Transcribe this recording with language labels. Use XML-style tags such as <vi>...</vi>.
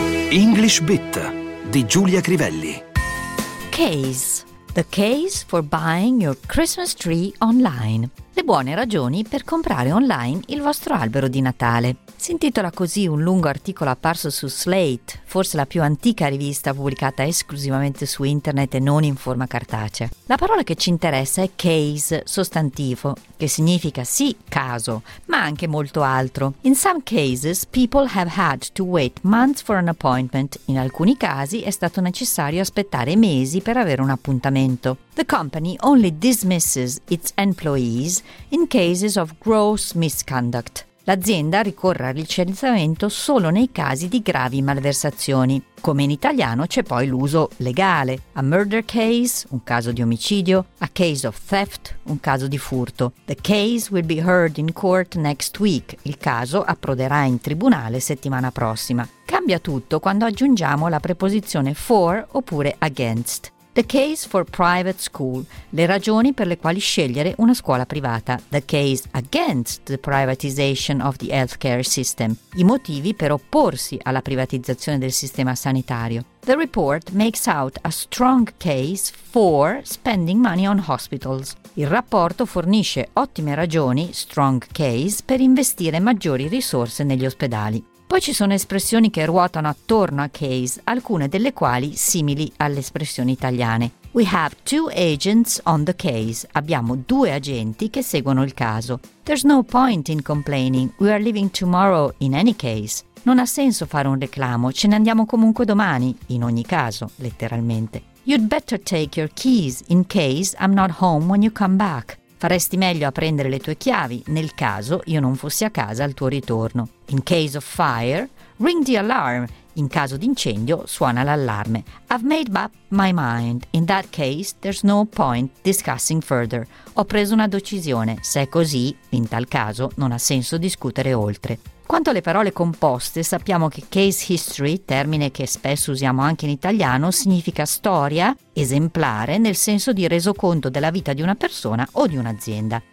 <it>English Bit di Giulia Crivelli.</it> <en>Case. The case for buying your Christmas tree online.</en> <it>Le buone ragioni per comprare online il vostro albero di Natale. Si intitola così un lungo articolo apparso su Slate, forse la più antica rivista pubblicata esclusivamente su internet e non in forma cartacea. La parola che ci interessa è case, sostantivo, che significa sì caso, ma anche molto altro.</it> <en>In some cases, people have had to wait months for an appointment.</en> <it>In alcuni casi è stato necessario aspettare mesi per avere un appuntamento.</it> <en>The company only dismisses its employees in cases of gross misconduct.</en> <it>L'azienda ricorre al licenziamento solo nei casi di gravi malversazioni. Come in italiano c'è poi l'uso legale,</it> <en>a murder case,</en> <it>un caso di omicidio,</it> <en>a case of theft,</en> <it>un caso di furto.</it> <en>The case will be heard in court next week.</en> <it>Il caso approderà in tribunale settimana prossima. Cambia tutto quando aggiungiamo la preposizione for oppure against.</it> <en>The case for private school.</en> <it>Le ragioni per le quali scegliere una scuola privata.</it> <en>The case against the privatization of the healthcare system.</en> <it>I motivi per opporsi alla privatizzazione del sistema sanitario.</it> <en>The report makes out a strong case for spending money on hospitals.</en> <it>Il rapporto fornisce ottime ragioni,</it> <en>strong case,</en> <it>per investire maggiori risorse negli ospedali. Poi ci sono espressioni che ruotano attorno a case, alcune delle quali simili alle espressioni italiane.</it> <en>We have two agents on the case.</en> <it>Abbiamo due agenti che seguono il caso.</it> <en>There's no point in complaining. We are leaving tomorrow in any case.</en> <it>Non ha senso fare un reclamo. Ce ne andiamo comunque domani, in ogni caso, letteralmente.</it> <en>You'd better take your keys in case I'm not home when you come back.</en> <it>Faresti meglio a prendere le tue chiavi nel caso io non fossi a casa al tuo ritorno.</it> <en>In case of fire, ring the alarm.</en> <it>In caso di incendio, suona l'allarme.</it> <en>I've made up my mind. In that case, there's no point discussing further.</en> <it>Ho preso una decisione. Se è così, in tal caso, non ha senso discutere oltre. Quanto alle parole composte, sappiamo che case history, termine che spesso usiamo anche in italiano, significa storia, esemplare, nel senso di resoconto della vita di una persona o di un'azienda.</it>